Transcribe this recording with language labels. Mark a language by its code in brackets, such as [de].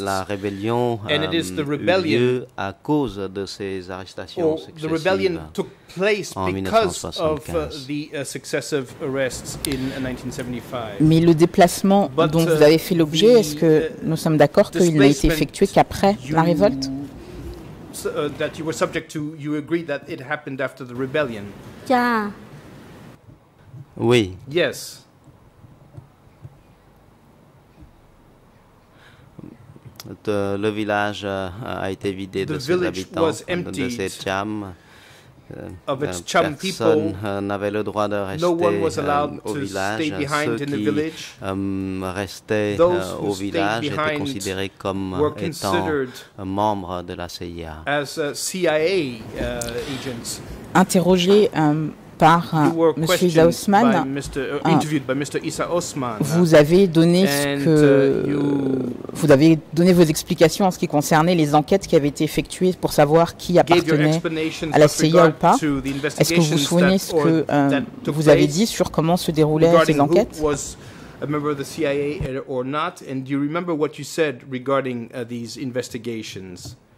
[fr] La rébellion a eu lieu à cause de ces arrestations successives. [en] The rebellion took place because of the successive arrests in 1975. [fr] Mais le déplacement dont vous avez fait l'objet, est-ce que nous sommes d'accord qu'il n'a été effectué qu'après la révolte? [en] That you were subject to, you agreed that it happened after the rebellion. Yeah. [fr] Oui. [en] Yes. [fr] Le village a été vidé de ses habitants, de ses tchams. [en] Of its chum people, [fr] personne n'avait le droit de rester au village. Ceux qui restaient au village étaient considérés comme étant membres de la CIA. [en] As CIA agents. [fr] Interrogé par M. Issa Osman, vous avez donné vous avez donné vos explications en ce qui concernait les enquêtes qui avaient été effectuées pour savoir qui appartenait à la CIA ou pas. Est-ce que vous souvenez ce que vous avez dit sur comment se déroulaient ces enquêtes? [en] A member of the CIA or not? And do you remember what you said regarding these investigations?